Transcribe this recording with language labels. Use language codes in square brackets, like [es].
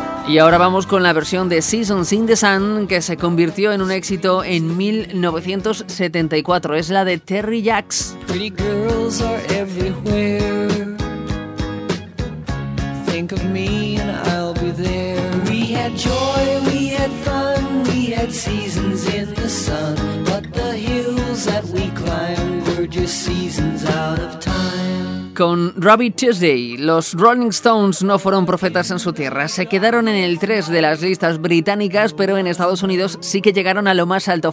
[es] Y ahora vamos con la versión de Seasons in the Sun, que se convirtió en un éxito en 1974. Es la de Terry Jacks. [en] Pretty girls are everywhere. Think of me and I'll be there. We had joy, we had fun, we had seasons in the sun. But the hills that we climbed were just seasons out of time. [es] con Robbie Tuesday. Los Rolling Stones no fueron profetas en su tierra. Se quedaron en el 3 de las listas británicas, pero en Estados Unidos sí que llegaron a lo más alto.